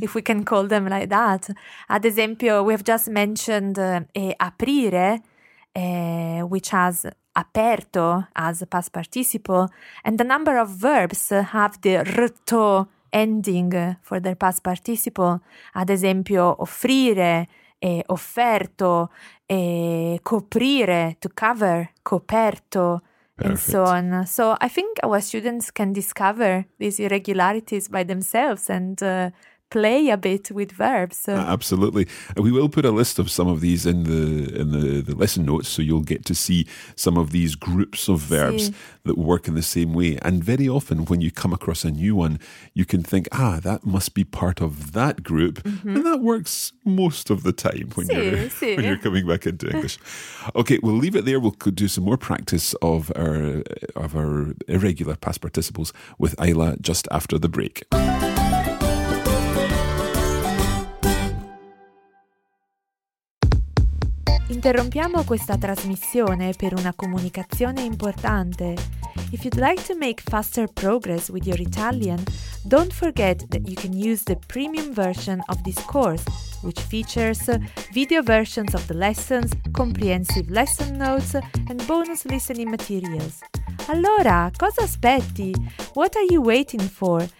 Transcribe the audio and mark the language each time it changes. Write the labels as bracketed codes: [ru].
[en] if we can call them like that. [it] Ad esempio, [en] we have just mentioned aprire, which has aperto as a past participle, and a number of verbs have the rto ending for their past participle. [it] Ad esempio, offrire, e offerto, e coprire, [en] to cover, [it] coperto, [en] perfect. And so on. So I think our students can discover these irregularities by themselves and play a bit with verbs. So. Absolutely. We will put a list of some of these in the lesson notes, so you'll get to see some of these groups of verbs that work in the same way. And very often when you come across a new one, you can think, ah, that must be part of that group. Mm-hmm. And that works most of the time when you're coming back into English. Okay, we'll leave it there. We'll do some more practice of our irregular past participles with Ayla just after the break. [it] Interrompiamo questa trasmissione per una comunicazione importante. [en] If you'd like to make faster progress with your Italian, don't forget that you can use the premium version of this course, which features video versions of the lessons, comprehensive lesson notes, and bonus listening materials. [it] Allora, cosa aspetti? [en] What are you waiting for?